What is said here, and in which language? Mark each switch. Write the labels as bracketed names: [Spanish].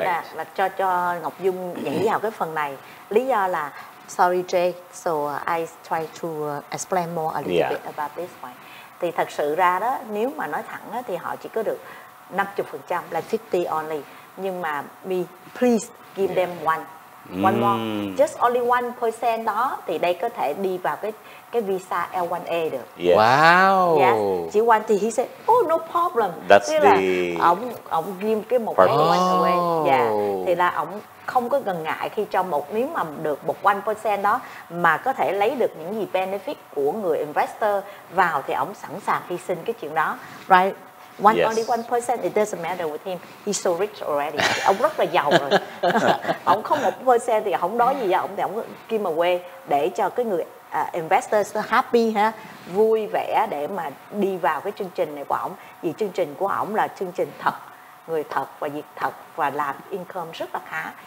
[Vietnamese] Nên là cho Ngọc Dung nhảy vào cái phần này. Lý do là, [English] sorry Jay, so I try to explain more a little bit about this one. [Vietnamese] Thì thật sự ra đó, nếu mà nói thẳng đó, thì họ chỉ có được 50%, [English] like 50 only. [Vietnamese] Nhưng mà [English] we please give them one more. Just only [Vietnamese] 1% đó thì đây có thể đi vào cái visa L1A được. [English] Yes. Wow. Yes. Chỉ one thì he said, oh no problem. That's [Vietnamese] thì [English] the... [Vietnamese] ông give cái một cái one away. Yeah. Thì là ông không có ngần ngại khi cho một, nếu mà được một 1% đó mà có thể lấy được những gì benefit của người investor vào thì ông sẵn sàng hy sinh cái chuyện đó. [English] Right. One yes. only 1%, it doesn't matter with him. He's so rich already. [Vietnamese] Ông rất là giàu rồi. Ông không 1% thì không đói gì ông, thì ông give away để cho cái người investors [English] happy [Vietnamese] ha, vui vẻ để mà đi vào cái chương trình này của ông. Vì chương trình của ông là chương trình thật, người thật và việc thật và làm income rất là khá.